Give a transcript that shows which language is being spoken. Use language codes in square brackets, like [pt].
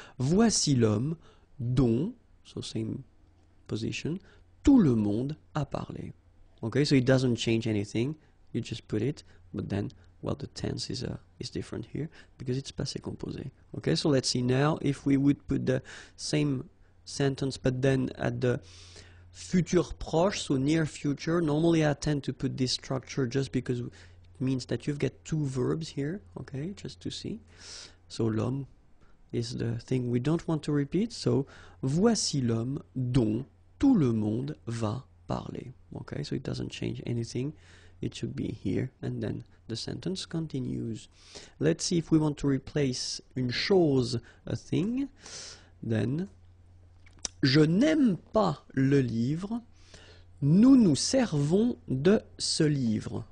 [fr] Voici l'homme, dont, [en] so same position, [fr] tout le monde a parlé. [en] Okay, so it doesn't change anything, you just put it, but then, well, the tense is different here, because it's passé composé. Okay, so let's see now, if we would put the same sentence, but then at the future proche, so near future. Normally I tend to put this structure just because it means that you've got two verbs here, okay, just to see. So l'homme is the thing we don't want to repeat. [fr] So voici l'homme dont tout le monde va parler. [en] Okay, so it doesn't change anything. It should be here and then the sentence continues. Let's see if we want to replace [fr] une chose, [en] a thing, then [fr] je n'aime pas le livre, nous nous servons de ce livre.